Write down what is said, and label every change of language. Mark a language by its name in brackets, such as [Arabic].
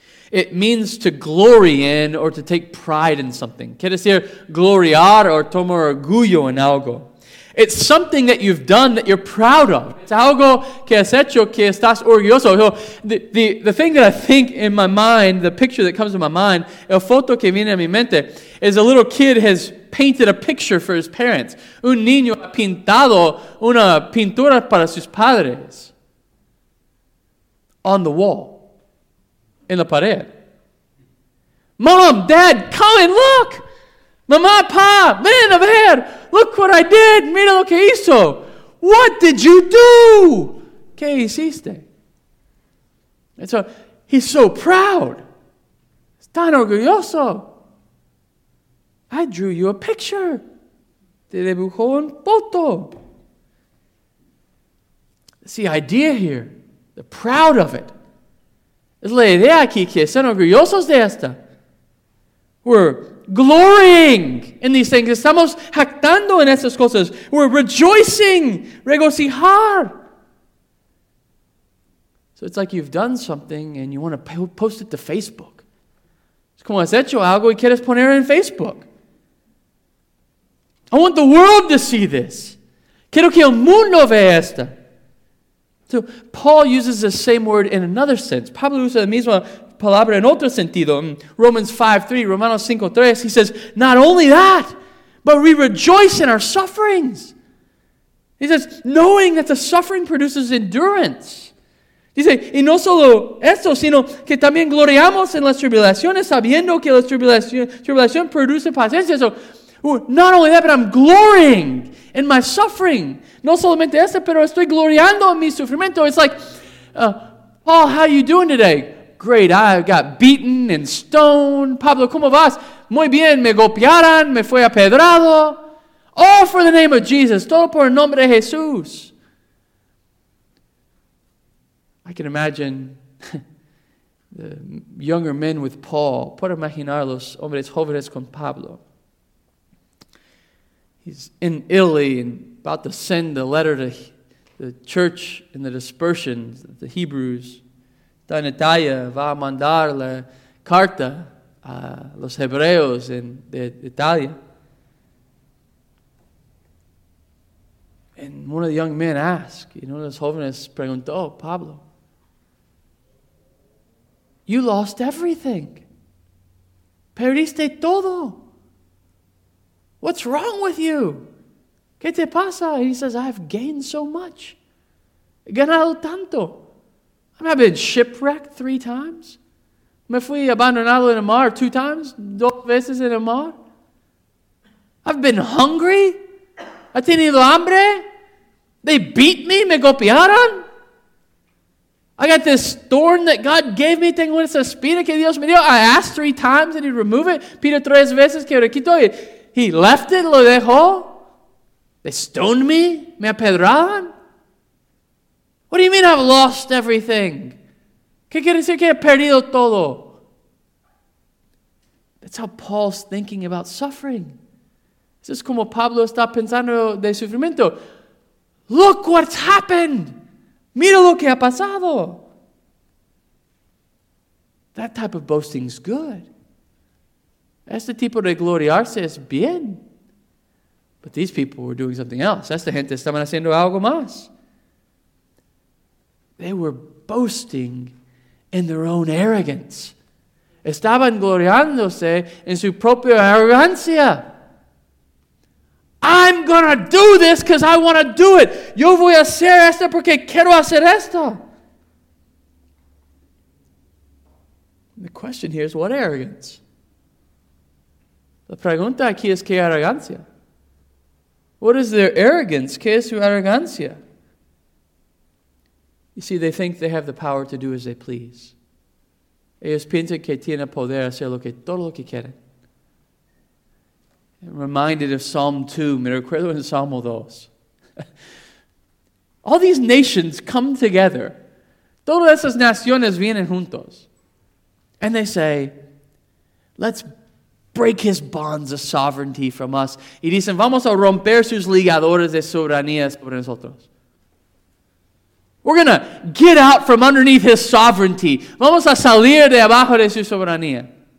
[English] It means to glory in or to take pride in something. [Spanish] Quiere decir gloriar or tomar orgullo en algo. [English] It's something that you've done that you're proud of. [Spanish] It's algo que has hecho que estás orgulloso. [English] So the thing that I think in my mind, the picture that comes to my mind, [Spanish] el foto que viene a mi mente, [English] is a little kid has painted a picture for his parents. [Spanish] Un niño ha pintado una pintura para sus padres [English] on the wall, [Spanish] en la pared. [English] Mom, Dad, come and look! [Spanish] Mamá, pa, ven a ver! [English] Look what I did! [Spanish] Mira lo que hizo! [English] What did you do? [Spanish] ¿Qué hiciste? [English] And so, he's so proud. [Spanish] Tan orgulloso. [English] I drew you a picture. [Spanish] Te dibujó un foto. [English] It's the idea here. They're proud of it. [Spanish] Es la idea aquí que son orgullosos de esta. [English] We're glorying in these things. [Spanish] Estamos jactando en esas cosas. [English] We're rejoicing. [Spanish] Regocijar. [English] So it's like you've done something and you want to post it to Facebook. [Spanish] Es como has hecho algo y quieres poner en Facebook. [English] I want the world to see this. [Spanish] Quiero que el mundo vea esta. [English] So Paul uses the same word in another sense. [Spanish] Pablo usa la misma palabra en otro sentido, [English] in Romans 5:3, Romanos 5:3, he says, not only that, but we rejoice in our sufferings. He says, knowing that the suffering produces endurance. [Spanish] Dice, y no solo eso, sino que también gloriamos en las tribulaciones, sabiendo que la tribulación produce paciencia. [English] So, not only that, but I'm glorying in my suffering. [Spanish] No solamente eso, pero estoy gloriando en mi sufrimiento. [English] It's like, Paul, how are you doing today? Great, I got beaten and stoned. [Spanish] Pablo, ¿cómo vas? Muy bien, me golpearon, me fue apedrado. [English] All for the name of Jesus, [Spanish] todo por el nombre de Jesús. [English] I can imagine the younger men with Paul. [Spanish] Puedo imaginar los hombres jóvenes con Pablo. [English] He's in Italy and about to send a letter to the church in the dispersion, the Hebrews. [Spanish] En Italia va a mandar la carta a los hebreos de Italia. [English] And one of the young men asked, [Spanish] uno de los jóvenes preguntó, [English] Pablo, you lost everything. [Spanish] Perdiste todo. [English] What's wrong with you? [Spanish] ¿Qué te pasa? [English] He says, I've gained so much. [Spanish] He ganado tanto. [English] I've been shipwrecked 3 times. [Spanish] Me fui abandonado en el mar 2 [English] times. [Spanish] 2 veces en el mar. [English] I've been hungry. [Spanish] He tenido hambre. [English] They beat me. [Spanish] Me golpearon. [English] I got this thorn that God gave me. [Spanish] Tengo esa espina que Dios me dio. [English] I asked 3 times and he removed it. [Spanish] Pido 3 veces que lo quito. [English] He left it. [Spanish] Lo dejó. [English] They stoned me. [Spanish] Me apedraron. [English] What do you mean I've lost everything? [Spanish] ¿Qué quiere decir que he perdido todo? [English] That's how Paul's thinking about suffering. This is [Spanish] como Pablo está pensando de sufrimiento. [English] Look what's happened. [Spanish] Mira lo que ha pasado. [English] That type of boasting is good. [Spanish] Este tipo de gloriarse es bien. [English] But these people were doing something else. [Spanish] Esta gente estaban haciendo algo más. [English] They were boasting in their own arrogance. [Spanish] Estaban gloriándose en su propia arrogancia. [English] I'm going to do this because I want to do it. [Spanish] Yo voy a hacer esto porque quiero hacer esto. [English] And the question here is, what arrogance? [Spanish] La pregunta aquí es, ¿qué arrogancia? [English] What is their arrogance? [Spanish] ¿Qué es su arrogancia? [English] You see, they think they have the power to do as they please. [Spanish] Ellos piensan que tienen poder hacer lo que todo lo que quieren. [English] I'm reminded of Psalm 2. [Spanish] Me recuerdo en Salmo 2. [English] All these nations come together. [Spanish] Todas esas naciones vienen juntos. [English] And they say, let's break his bonds of sovereignty from us. [Spanish] Y dicen, vamos a romper sus ligaduras de soberanía sobre nosotros. [English] We're going to get out from underneath his sovereignty. [Spanish] Vamos a salir de abajo de su soberanía.